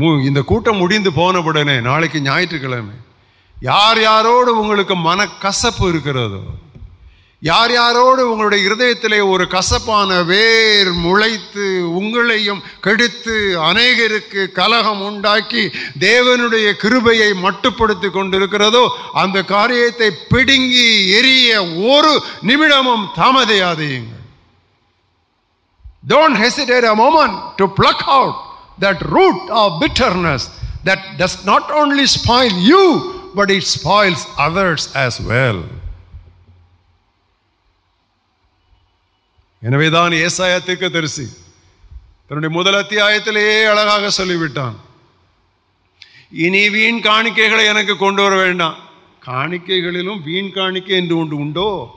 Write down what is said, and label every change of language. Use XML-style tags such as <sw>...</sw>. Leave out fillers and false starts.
<ta>இந்த கூட்டம் முடிந்து போன உடனே நாளைக்கு ஞாயிற்றுக்கிழமை யார் யாரோடு உங்களுக்கு மனக்கசப்பு இருக்கிறதோ, யார் யாரோடு உங்களுடைய இருதயத்திலே ஒரு கசப்பான வேர் முளைத்து உங்களையும் கெடுத்து அநேகருக்கு கலகம் உண்டாக்கி தேவனுடைய கிருபையை மட்டுப்படுத்தி கொண்டிருக்கிறதோ, அந்த காரியத்தை பிடுங்கி எரிய ஒரு நிமிடமும் தாமதையாதீங்கள்.</ta> <en>Don't hesitate a moment to pluck out that root of bitterness that does not only spoil you but it spoils others as well.</en> <ta>எனவேதான் ஏசாயா தீர்க்கதரிசி தன்னுடைய முதல் அத்தியாயத்திலேயே அழகாக சொல்லிவிட்டான், இனி வீண் காணிக்கைகளை எனக்கு கொண்டு வர வேண்டாம். காணிக்கைகளிலும் வீண் காணிக்கை என்று ஒன்று உண்டோ?</ta>